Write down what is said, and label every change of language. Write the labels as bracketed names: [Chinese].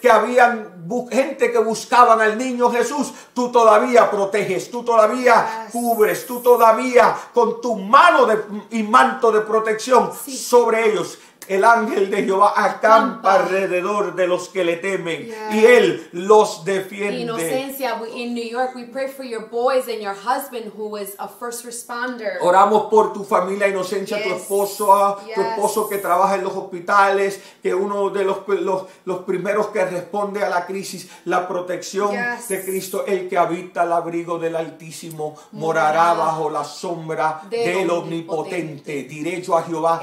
[Spanish] que habían gente que buscaban al niño Jesús. Tú todavía proteges, tú todavía, [English] yes, [Spanish] cubres, tú todavía con tu mano y manto de protección, sí, sobre ellos. El ángel de Jehová acampa alrededor de los que le temen, [English] yes, [Spanish] y él los defiende. [English] Inocencia, in New York, we pray for your boys and your husband who is a first responder. [Spanish] Oramos por tu familia, Inocencia, [English] yes, [Spanish] tu esposo, [English] yes, [Spanish] tu esposo que trabaja en los hospitales, que uno de los primeros que responde a la crisis, la protección, [English] yes, [Spanish] de Cristo, el que habita al abrigo del Altísimo, morará, [English] yes, [Spanish] bajo la sombra del Omnipotente. Derecho a Jehová,